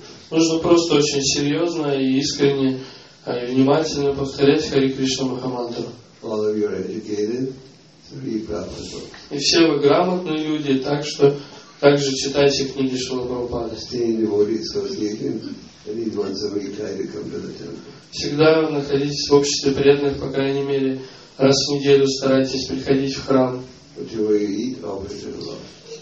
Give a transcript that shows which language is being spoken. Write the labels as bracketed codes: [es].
[ru] Нужно просто очень серьезно и искренне и внимательно повторять Хари Кришна Махамантру. [en] All of you are educated, three Prabhupada books. [ru] И все вы грамотные люди, так что также читайте книги Шрилы Прабхупады. [en] Stay in devotee's association, at least once a week try to come to the temple. [ru] Всегда находитесь в обществе преданных, по крайней мере, раз в неделю старайтесь приходить в храм. [en] Whatever you eat, offer to the Lord.